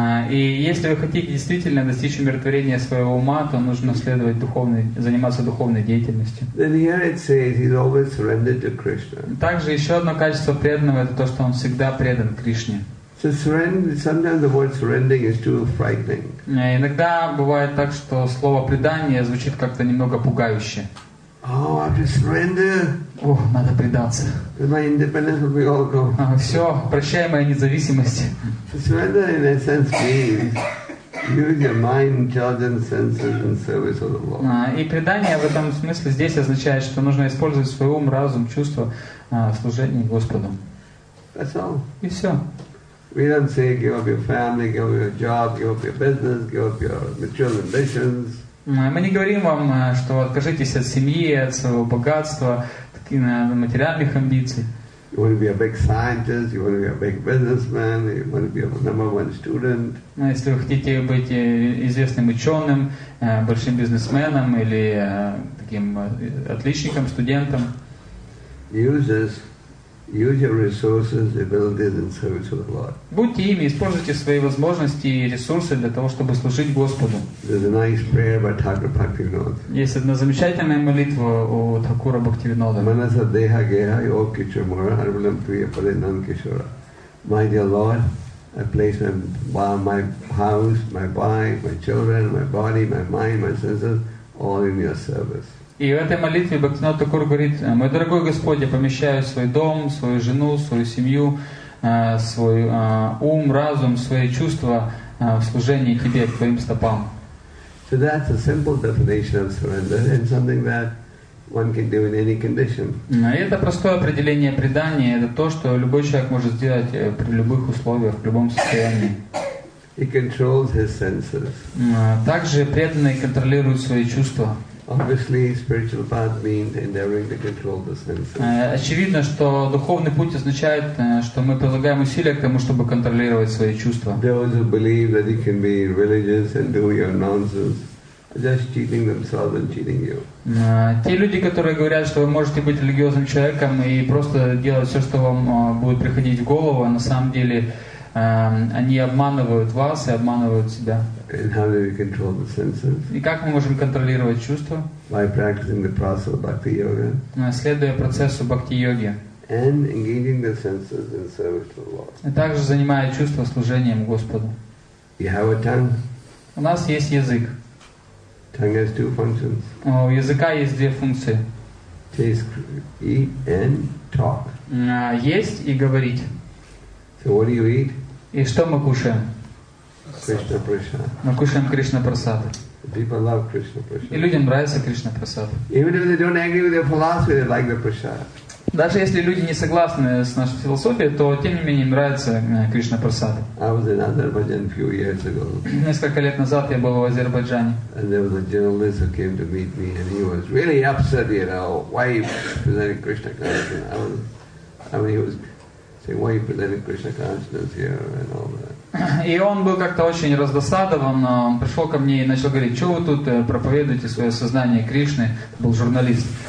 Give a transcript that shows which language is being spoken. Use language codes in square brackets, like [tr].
[ru] И если вы хотите действительно достичь умиротворения своего ума, то нужно заниматься духовной деятельностью. [en] Then here it says he's always surrendered to Krishna. [ru] Также еще одно качество преданного — это то, что он всегда предан Кришне. [en] So surrender. Sometimes the word surrendering is too frightening. [ru] Иногда бывает так, что слово предание звучит как-то немного пугающе. [en] Oh, I have to surrender. [ru] Ох, надо предаться. [en] My independence will be all gone. [ru] Все, прощай моя независимость. [en] Surrender in a sense means use your mind, intelligence, senses in service of the Lord. [ru] И предание в этом смысле здесь означает, что нужно использовать свой ум, разум, чувства в служении Господу. [en] That's all. [ru] И все. [en] We don't say give up your family, give up your job, give up your business, give up your material ambitions. [ru] Мы не говорим вам, что откажитесь от семьи, от своего богатства, материальных амбиций. [en] You want to be a big scientist, you want to be a big businessman, you want to be a number one student. [ru] Если вы хотите быть известным ученым, большим бизнесменом или таким отличником, студентом. [en] Use this, Use your resources, abilities and service to the Lord. [ru] Будьте ими, используйте свои возможности и ресурсы для того, чтобы служить Господу. [en] There's a nice prayer by Thakur Bhaktivinoda. [ru] Есть одна замечательная молитва у Такура Бхактивинода. [sa] Manasa deha geha yogi chamura harvalam priya palinam kishora. [en] My dear Lord, I place my house, my wife, my children, my body, my mind, my senses, all in your service. [ru] И в этой молитве Бхактинат Такур говорит: «Мой дорогой Господь, я помещаю свой дом, свою жену, свою семью, свой ум, разум, свои чувства в служении Тебе, к Твоим стопам». [en] So that's a simple definition of surrender and something that one can do in any condition. [ru] Это простое определение предания. Это то, что любой человек может сделать при любых условиях, в любом состоянии. [en] He controls his senses. [ru] Также преданный контролирует свои чувства. [en] Obviously, spiritual path means endeavoring to control the senses. [ru] Очевидно, что духовный путь означает, что мы прилагаем усилия к тому, чтобы контролировать свои чувства. [en] Those who believe that you can be religious and do your nonsense are just cheating themselves and cheating you. [ru] Те люди, которые говорят, что вы можете быть религиозным человеком и просто делать все, что вам будет приходить в голову, на самом деле они обманывают вас и обманывают себя. [en] And how do we control the senses? [ru] И как мы можем контролировать чувства? [en] By practicing the process of bhakti yoga. [ru] Следуя процессу бхакти йоги. [en] And engaging the senses in service to the Lord. [ru] И также занимая чувства служением Господу. [en] You have a tongue. [ru] У нас есть язык. [en] Tongue has two functions. [ru] У языка есть две функции. [en] Taste, eat and talk. [ru] Есть и говорить. [en] So what do you eat? [ru] И что мы кушаем? Кришна Прасад. Мы кушаем Кришна Прасад. [en] People love Krishna Prasad. [ru] И людям нравится Кришна Прасад. [en] Even if they don't agree with their philosophy, they like the Prasad. [ru] Даже если люди не согласны с нашей философией, то тем не менее им нравится Кришна Прасад. [en] I was in Azerbaijan a few years ago. [ru] Несколько лет назад я был в Азербайджане. [en] And there was a journalist who came to meet me, and he was really upset, you know, why you presented Krishna consciousness. I mean, he was saying, why you presented Krishna consciousness here and all that. [ru] И он был как-то очень раздосадован, он пришел ко мне и начал говорить, что вы тут проповедуете свое сознание Кришны, был журналист.